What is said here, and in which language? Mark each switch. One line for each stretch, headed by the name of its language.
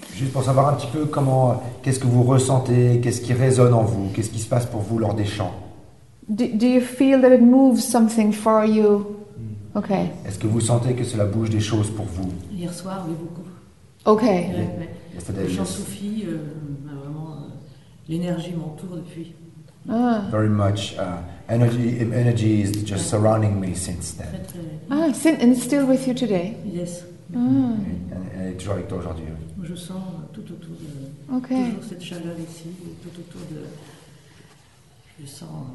French: Juste pour savoir un petit peu comment, qu'est-ce que vous ressentez, qu'est-ce qui résonne en vous, qu'est-ce qui se passe pour vous lors des chants.
English: Do you feel that it moves something for you? Okay.
French: Est-ce que vous sentez que cela bouge des choses pour vous? Hier soir, oui, beaucoup.
English: Okay.
French: Ouais, le chant soufi, vraiment, l'énergie m'entoure depuis.
English: Very much energy is just surrounding me since then.
French: Très, très.
English: Ah, and still with you today? Yes.
French: Elle est toujours avec toi aujourd'hui. Je sens tout autour de.
English: Okay.
French: Toujours cette chaleur ici, tout autour de. Je sens.